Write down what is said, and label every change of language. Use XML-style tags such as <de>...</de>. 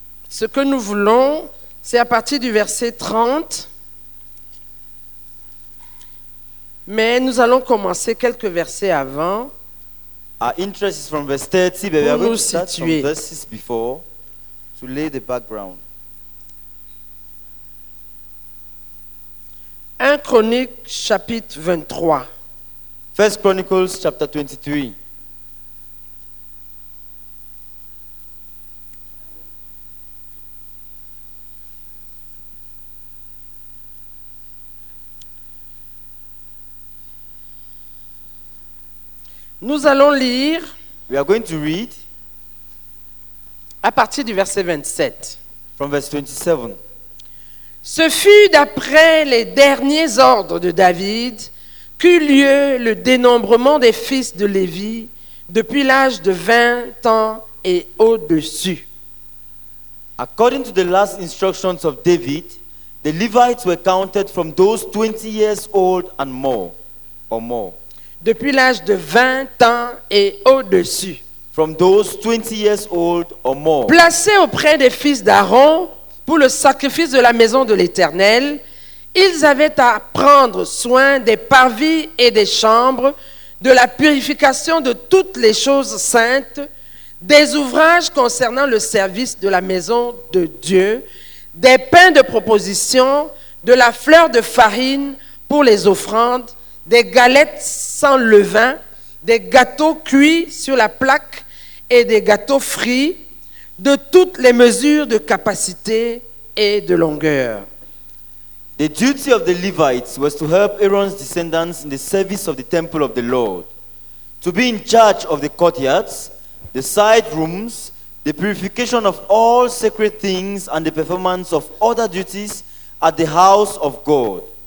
<fr>Ce que nous voulons, c'est à partir du verset 30, mais nous allons commencer quelques versets avant.</fr> <en>Our interest is from verse 30, but we are going to start from verse 6 before to lay the background.</en> <fr>1 Chronique chapitre 23.</fr> <en>1 Chronicles chapter 23.</en> <fr>Nous allons lire.</fr> <en>We are going to read.</en> <fr>À partir du verset 27.</fr> <en>From verse 27.</en> <fr>Ce fut d'après les derniers ordres de David qu'eut lieu le dénombrement des fils de Lévi depuis l'âge de 20 ans et au-dessus.</fr> <en>According to the last instructions of David, the Levites were counted from those 20 years old and more, or more.</en> <fr>Depuis l'âge de 20 ans et au-dessus.</fr> <en>From those 20 years old or more.</en> <fr>Placés auprès des fils d'Aaron pour le sacrifice de la maison de l'Éternel, ils avaient à prendre soin des parvis et des chambres, de la purification de toutes les choses saintes, des ouvrages concernant le service de la maison de Dieu, des pains de proposition, de la fleur de farine pour les offrandes, des galettes sans levain, des gâteaux cuits sur la plaque et des gâteaux frits, de toutes les mesures de capacité et de longueur.</fr> <en>The duty of the Levites was to help Aaron's descendants in the service of the temple of the Lord, to be in charge of the courtyards, the side rooms, the purification of all sacred things and the performance of other duties at the house of God.</en>